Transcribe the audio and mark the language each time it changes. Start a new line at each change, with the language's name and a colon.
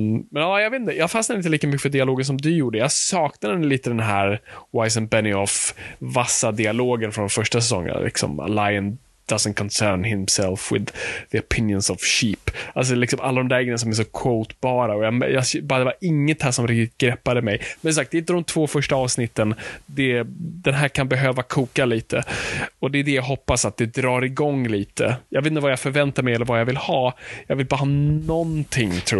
Swedish: Men ja, jag vet inte, jag fastnade inte lika mycket för dialogen som du gjorde. Jag saknade lite den här Weiss and Benioff vassa dialogen från första säsongen, liksom
English: Lion doesn't concern himself with the opinions of sheep.
Swedish: Alltså liksom alla de där grejerna som är så quotebara. Och jag bara, det var inget här som riktigt greppade mig. Men sagt, det är inte de två första avsnitten. Den här kan behöva koka lite. Och det är det jag hoppas, att det drar igång lite. Jag vet inte vad jag förväntar mig eller vad jag vill ha. Jag vill bara ha någonting, tror